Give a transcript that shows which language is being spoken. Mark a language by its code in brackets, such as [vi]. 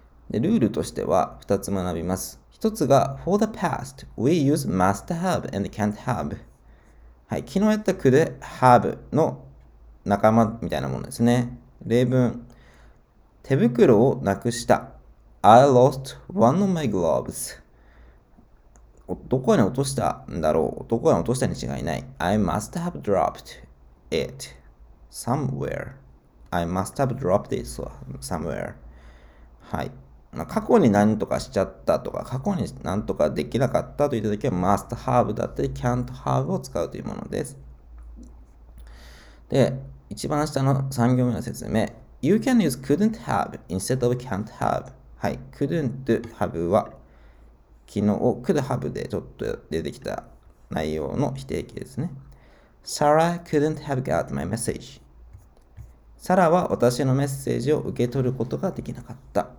[ja] で、ルールとしては2つ学びます。1つが、 [en] For the past, we use must have and can't have.、 [ja] はい、昨日やった句で have の仲間みたいなものですね。例文。手袋をなくした。 [en] I lost one of my gloves. [ja] どこに落としたんだろう。どこに落としたに違いない。 [en] I must have dropped it somewhere. I must have dropped it somewhere. [ja] はい。過去に何とかしちゃったとか、過去に何とかできなかったといった時は、must have だったり、can't have を使うというものです。で、一番下の3行目の説明。 [en] You can use couldn't have instead of can't have。 [ja] はい、couldn't have は昨日を could have でちょっと出てきた内容の否定形ですね。 [en] Sarah couldn't have got my message。 [ja] サラは私のメッセージを受け取ることができなかった。